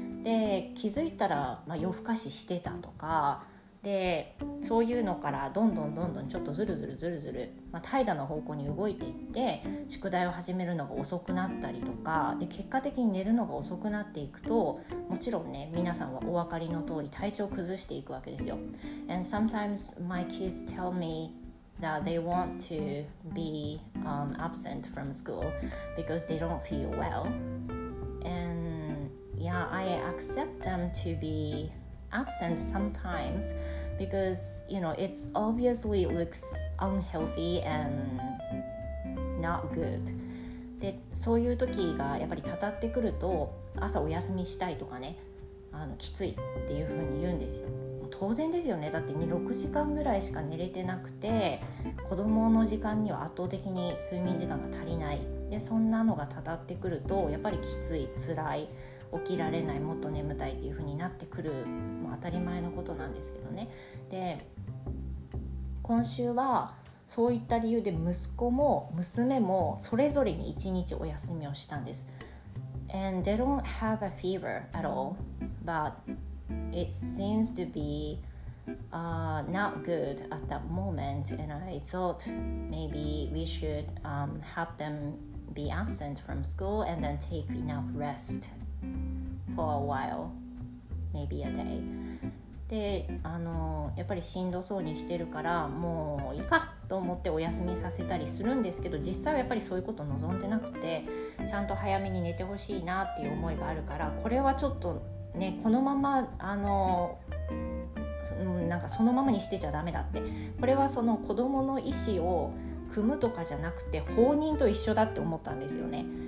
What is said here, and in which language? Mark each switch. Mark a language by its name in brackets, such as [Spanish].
[Japanese] で、気づいたら、まあ、夜更かししてたとかで、そういうのからどんどんどんどんちょっとずるずるずるずる、まあ、怠惰の方向に動いていって宿題を始めるのが遅くなったりとかで、結果的に寝るのが遅くなっていくと、もちろんね、皆さんはお分かりの通り体調を崩していくわけですよ。 [English] And sometimes my kids tell me that they want to be absent from school because they don't feel well. And yeah, I accept them to beabsent sometimes because, you know, it's obviously looks unhealthy and not good. [Japanese] で、そういう時がやっぱりたたってくると、朝お休みしたいとかね、きついっていう風に言うんですよ。当然ですよね、だって6時間ぐらいしか寝れてなくて、子供の時間には圧倒的に睡眠時間が足りない。で、そんなのがたたってくるとやっぱりきつい、つらい、起きられない、もっと眠たいっていう風になってくる、もう当たり前のことなんですけどね。で、今週はそういった理由で息子も娘もそれぞれに1日お休みをしたんです。 [English] And they don't have a fever at all, but it seems to be not good at that moment, and I thought maybe we should have them be absent from school and then take enough restfor a while, maybe a day. [Japanese] で、やっぱりしんどそうにしてるからもういいかと思ってお休みさせたりするんですけど、実際はやっぱりそういうこと望んでなくて、ちゃんと早めに寝てほしいなっていう思いがあるから、これはちょっとね、このままなんかそのままにしてちゃダメだって、これはその子どもの意思を汲むとかじゃなくて放任と一緒だって思ったんですよね。